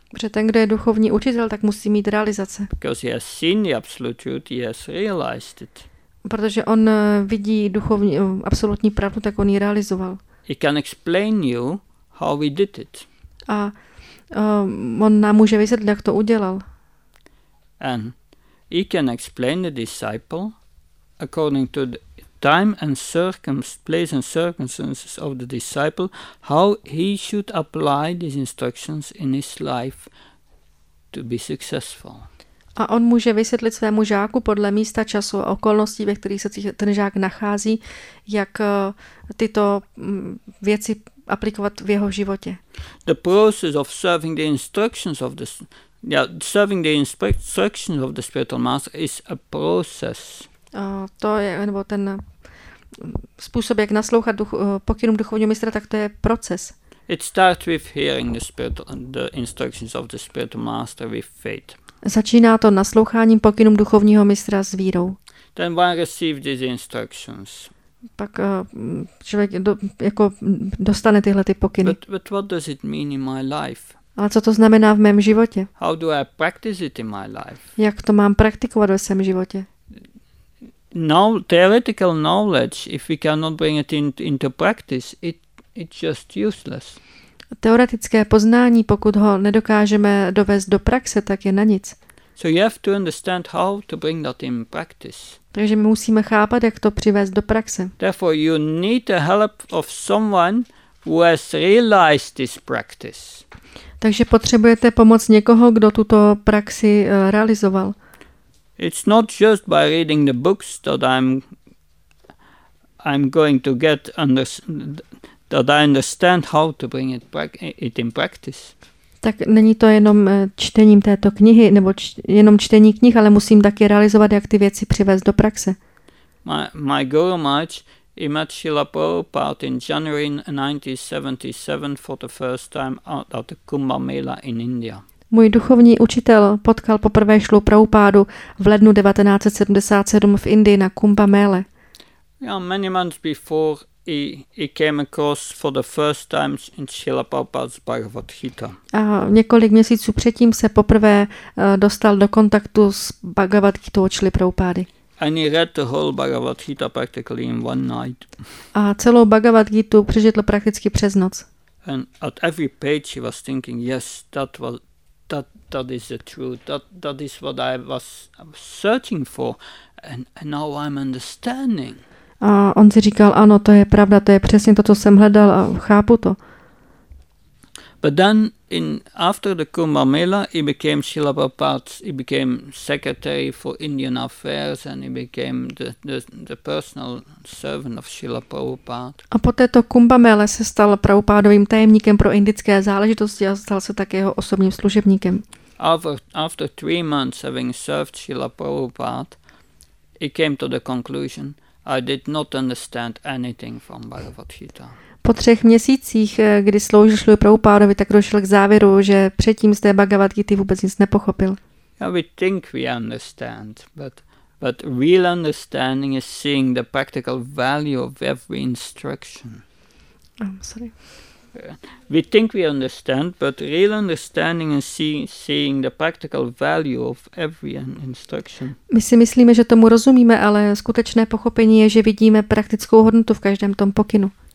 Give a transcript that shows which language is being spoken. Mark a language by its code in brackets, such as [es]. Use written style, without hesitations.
[cs] Protože ten, kdo je duchovní učitel, tak musí mít realizace. [en] Because he has seen the absolute truth, he has realized it. [cs] Protože on vidí duchovní absolutní pravdu, tak on ji realizoval. [en] He can explain you how we did it. [cs] A on nám může vysvětlit, jak to udělal. [en] And he can explain the disciple according to the time and place and circumstances of the disciple how he should apply these instructions in his life to be successful. [cs] A on může vysvětlit svému žáku podle místa, času a okolností, ve kterých se ten žák nachází, jak tyto věci aplikovat v jeho životě. [en] The process of serving the instructions of the serving the instructions of the spiritual master is a process. [cs] Ten způsob, jak naslouchat pokynům duchovního mistra, tak to je proces. [en] It starts with hearing the instructions of the spiritual master with faith. [cs] Začíná to nasloucháním pokynům duchovního mistra s vírou. [en] Then one receives these instructions. [cs] Pak člověk dostane tyhle ty pokyny. [en] But what does it mean in my life? [cs] Ale co to znamená v mém životě? [en] How do I practice it in my life? [cs] Jak to mám praktikovat ve svém životě? [en] No, theoretical knowledge, if we cannot bring it into practice, it's just useless. [cs] Teoretické poznání, pokud ho nedokážeme dovést do praxe, tak je na nic. [en] So you have to understand how to bring that in practice. [cs] Takže my musíme chápat, jak to přivést do praxe. [en] Therefore you need the help of someone who has realized this practice. [cs] Takže potřebujete pomoc někoho, kdo tuto praxi realizoval. [en] It's not just by reading the books that I'm going to get that I understand how to bring it in practice. [cs] Tak není to jenom čtením této knihy, nebo jenom čtení knih, ale musím taky realizovat, jak ty věci přivést do praxe. [en] My Guru Maharaj, he met Srila Prabhupada in January 1977 for the first time at the Kumbh Mela in India. [cs] Můj duchovní učitel potkal poprvé Srilu Prabhupádu v lednu 1977 v Indii na Kumbh Mele. [en] Yeah, many months before I came across for the first time in Srila Prabhupada's Bhagavad Gita. [cs] A několik měsíců předtím se poprvé dostal do kontaktu s Bhagavad Gitou Srila Prabhupády. [en] And he read the whole Bhagavad Gita practically in one night. A celou Bhagavad Gitu přečetl prakticky přes noc. And at every page he was thinking, yes, that is the truth. That is what I was searching for, and now I'm understanding. [cs] A on si říkal, ano, to je pravda, to je přesně to, co jsem hledal a chápu to. [en] But then in after the Kumbh Mela, he became Srila Prabhupada's, he became secretary for Indian affairs and he became the personal servant of Srila Prabhupada. [cs] A po této Kumbh Mele se stal Prabhupádovým tajemníkem pro indické záležitosti a stal se také jeho osobním služebníkem. [en] After 3 months having served Srila Prabhupada, he came to the conclusion, I did not understand anything from Bhagavad Gita. [cs] Po 3 měsících, kdy sloužil Srila Prabhupádovi, tak došel k závěru, že předtím z té Bhagavad Gita vůbec nic nepochopil. [en] Yeah, we think we understand, but real understanding is seeing the practical value of every instruction. I'm sorry. We think we understand, but real understanding is seeing the practical value of every instruction. [cs] My si myslíme, že tomu rozumíme, ale skutečné pochopení je, že vidíme praktickou hodnotu v každém tom pokynu.